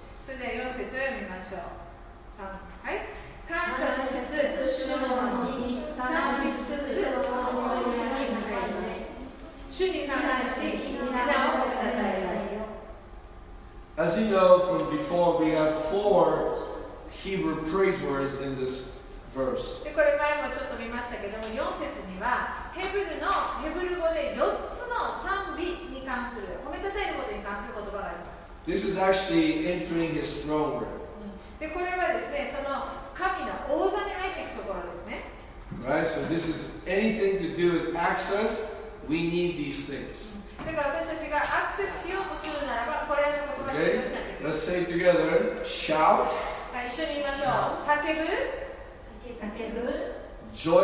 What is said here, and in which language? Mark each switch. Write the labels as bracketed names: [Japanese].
[Japanese] それでは4節を読みましょう。3はい。感謝しつつ、主の御に賛美しつつ、その御に願いを願い、主に感謝し、皆をたたえられよ。 [English] As you know from before, we have four Hebrew praise words in this verse. [Japanese] でこれ前もちょっと見ましたけども、4節にはヘブル語で4つの賛美に関する、褒めたたえることに関する言葉があります。 [English] This is actually entering his throne room. [Japanese] でこれはですね、その神の王座に入っていくところですね。 [English] Right, so this is anything to do with access, we need these things. [Japanese] だから私たちがアクセスしようとするならば、これの言葉が必要になってくる。 [English] Let's say together, shout. [Japanese] はい、一緒に言いましょう。